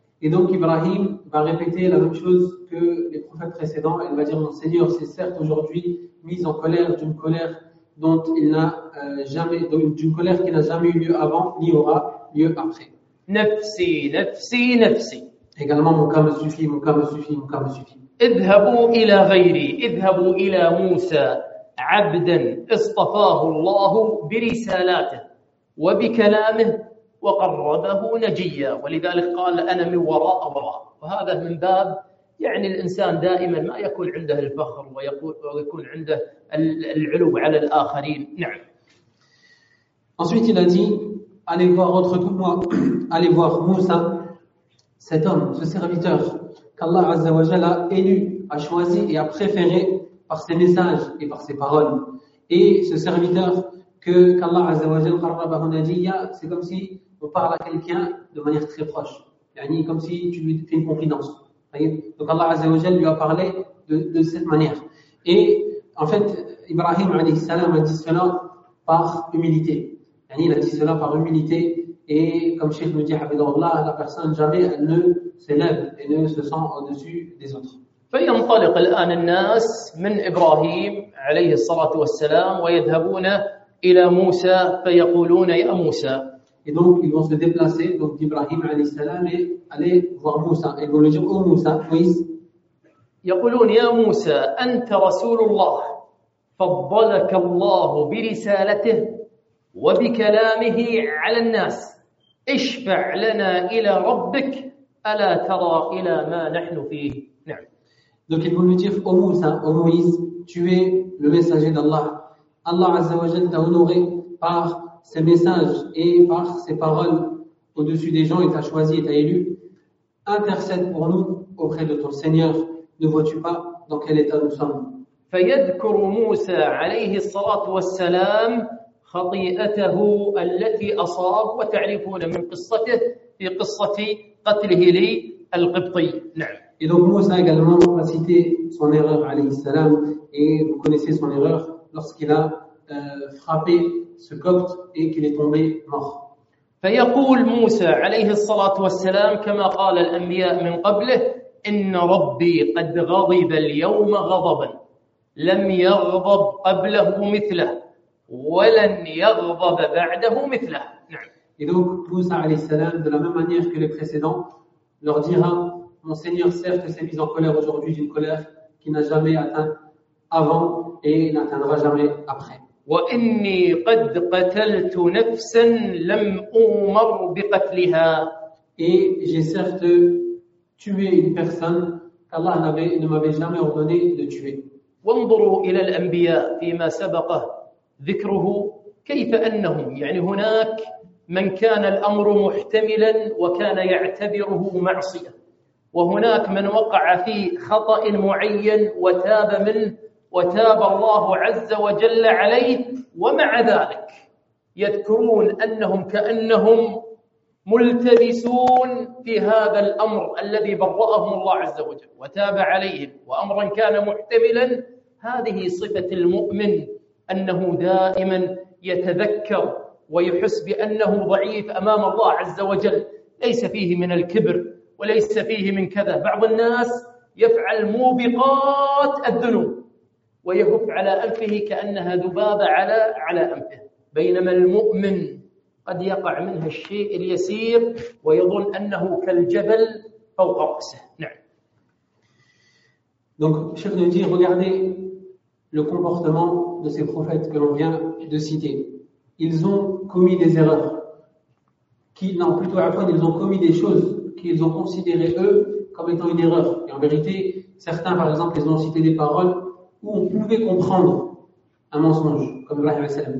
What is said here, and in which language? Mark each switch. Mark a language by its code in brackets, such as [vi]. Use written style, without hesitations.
[fr] Et donc Ibrahim va répéter la même chose que les prophètes précédents. Il va dire mon Seigneur s'est certes aujourd'hui mis en colère d'une colère dont il n'a jamais d'une colère qui n'a jamais eu lieu avant ni aura lieu après. [ar] نفسي نفسي نفسي [fr] également mon cas me suffit, mon cas me suffit, mon cas me suffit. [ar] اذهبوا إلى غيري، اذهبوا إلى موسى عبدا اصطفاه الله برسالاته وبكلامه وقربه نجيا. ولذلك قال أنا من وراء وراء. وهذا من باب يعني الإنسان دائما ما يكون عنده الفخر ويكون عنده العلو على الآخرين. نعم. [fr] Ensuite il a dit, allez voir autre que moi, allez voir Moussa, cet homme, ce serviteur qu'Allah Azza wa Jalla a élu, a choisi et a préféré par ses messages et par ses paroles. Et ce serviteur qu'Allah Azza wa Jalla [ar] qarrabahu najiya, [fr] c'est comme si on parle à quelqu'un de manière très proche, yani comme si tu lui fais une confidence. Donc Allah Azza wa Jalla lui a parlé de cette manière. Et en fait, Ibrahim alayhi salam a dit cela par humilité. Il a dit cela par humilité, et comme Cheikh nous dit, Habibullah, la personne jamais elle ne s'élève et ne se sent au-dessus des autres. [ar] فينطلق الآن الناس من إبراهيم عليه الصلاة والسلام ويذهبون إلى موسى فيقولون يا موسى. [fr] Et donc ils vont se déplacer donc d'Ibrahim [ar] عليه السلام [fr] et aller voir Moussa et vont lui dire oh Moussa, Moïse. [ar] يقولون يا موسى أنت رسول الله فضلك الله برسالته وبكلامه على الناس اشفع لنا إلى ربك ألا ترى إلى ما نحن فيه. نعم. [fr] Donc ils vont lui dire oh Moussa, oh Moïse, tu es le messager d'Allah. Allah Azza wa Jalla t'a honoré par ses messages et par ses paroles au-dessus des gens et t'a choisi et t'a élu. Intercède pour nous auprès de ton Seigneur. Ne vois-tu pas dans quel état nous sommes ? [ar] فيذكر موسى عليه الصلاة والسلام خطيئته التي أصاب وتعرفون من قصته في قصة قتله للقبطي. نعم. [fr] Et donc Moussa également va citer son erreur alayhi salam et vous connaissez son erreur lorsqu'il a frappé ce copte et qu'il est tombé mort. [ar] فيقول موسى عليه الصلاة والسلام كما قال الأنبياء من قبله إن ربي قد غضب اليوم غضبا لم يغضب قبله مثله ولن يغضب بعده مثله. نعم. [fr] Et donc Moussa alayhi salam de la même manière que les précédents leur dira mon Seigneur, certes, s'est mis en colère aujourd'hui d'une colère qui n'a jamais atteint avant et n'atteindra jamais après. [ar] وَإِنِّي قَدْ قَتَلْتُ نَفْسًا لَمْ أُمَرْ بِقَتْلِهَا. [fr] Et j'ai certes tué une personne qu'Allah ne m'avait jamais ordonné de tuer. [ar] وَانظُرُوا إِلَى الْأَنْبِيَاءِ فِيمَا سَبَقَهُ ذِكْرُهُ كَيْفَ أَنَّهُمْ يعني هناك من كان الأمر محتملاً وكان يعتبره معصية وهناك من وقع في خطأ معين وتاب منه وتاب الله عز وجل عليه ومع ذلك يذكرون أنهم كأنهم ملتبسون في هذا الأمر الذي برأهم الله عز وجل وتاب عليهم وأمرا كان محتملا. هذه صفة المؤمن أنه دائما يتذكر ويحس بأنه ضعيف أمام الله عز وجل، ليس فيه من الكبر وليس فيه من كذا. بعض الناس يفعل موبقات الذنوب ويهف على أنفه كأنها ذبابة على أنفه، بينما المؤمن قد يقع منه الشيء اليسير ويظن أنه كالجبل فوق رأسه. نعم. [fr] Donc Cheikh nous dit regardez le comportement de ces prophètes que l'on vient de citer. Ils ont commis des erreurs. Ils ont commis des choses qu'ils ont considéré eux comme étant une erreur. Et en vérité, certains, par exemple, ils ont cité des paroles où on pouvait comprendre un mensonge, comme Allah alayhi wa sallam.